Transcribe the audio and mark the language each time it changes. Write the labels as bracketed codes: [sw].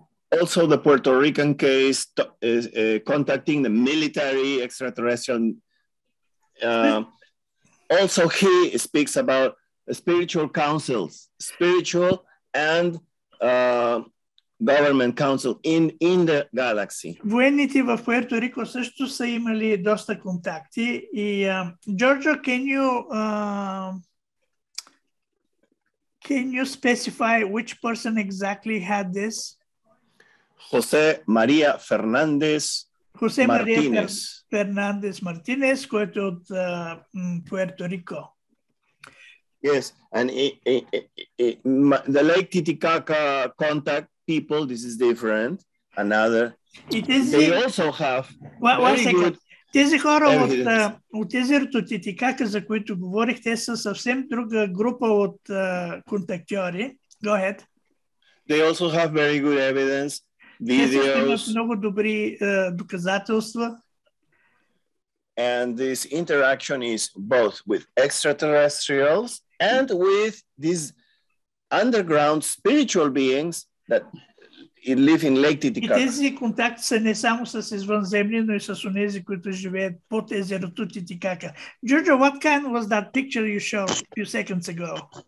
[en] Also the Puerto Rican case contacting the military extraterrestrial also he speaks about spiritual councils, spiritual and government council in the galaxy. [bg] Военните в Пуерто Рико също са имали доста контакти. И [en] Джорджо, can you specify which person exactly had this? José María Fernández. [bg] José María Fernández Martínez, който от Пуерто Рико. [en] Yes, and the Lake Titicaca contact people, this is different. Another. They also have [bg] Тези хора от езерото Титикака, за които говорих, те са съвсем друга група от контактьори. [en] Go ahead. They also have very good evidence. Videos. [bg] Много добри доказателства. [en] And this interaction is both with extraterrestrials and with these underground spiritual beings that live in Lake Titicaca. [bg] И тези контакти са не само с извънземни, но и с онези, които живеят под езерото Титикака. [en] Джорджо, what kind was that picture you showed a few seconds ago?